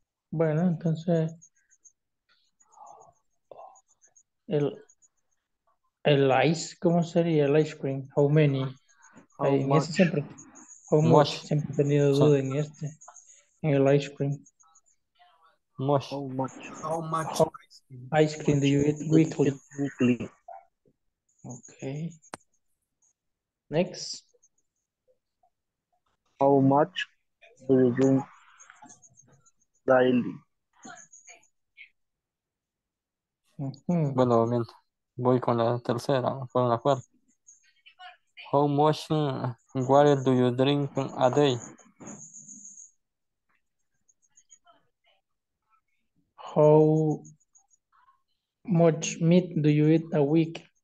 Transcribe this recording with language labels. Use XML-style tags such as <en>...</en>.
<es>Bueno, entonces el ice, ¿cómo sería el ice cream?</es> <en>How many? How en much?</en> <es>Ese siempre,</es> <en>how much?</en> <es>Siempre he tenido duda en este, en el ice cream.</es> <en>Much. How much? How much ice cream do you eat weekly? Okay. Next. How much do you drink daily? Mm-hmm.</en> <es>Bueno, mientras voy con la tercera, con la cuarta.</es> <en>How much water do you drink a day? How much meat do you eat a week?</en>